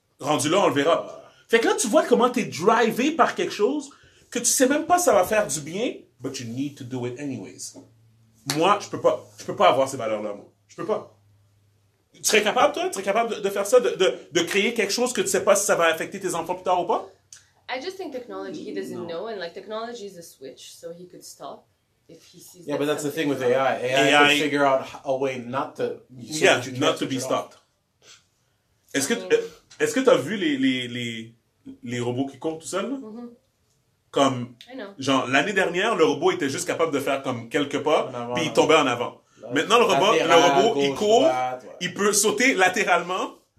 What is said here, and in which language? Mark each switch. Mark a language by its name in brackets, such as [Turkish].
[French] Rendu là, on le verra. Fait que là, tu vois comment t'es drivé par quelque chose que tu sais même pas ça va faire du bien, [English] but you need to do it anyways. [French] Moi, je peux pas avoir ces valeurs-là, moi. Je peux pas. Tu serais capable, toi? Tu serais capable de faire ça? De créer quelque chose que tu sais pas si ça va affecter tes enfants plus tard ou pas? [English] I just think technology, he doesn't know, and like technology is a switch, so he could stop if he sees. Yeah, that but that's the thing with AI. AI could figure out a way not to. So yeah, not to be stopped. [French] Est-ce que t'as vu les robots qui courent tout seuls? Mm-hmm. Comme [English] I know. [French] Genre l'année dernière, le robot était juste capable de faire comme quelques pas, puis il tombait en avant. Là, maintenant le robot gauche, il court, droite, ouais. Il peut sauter latéralement.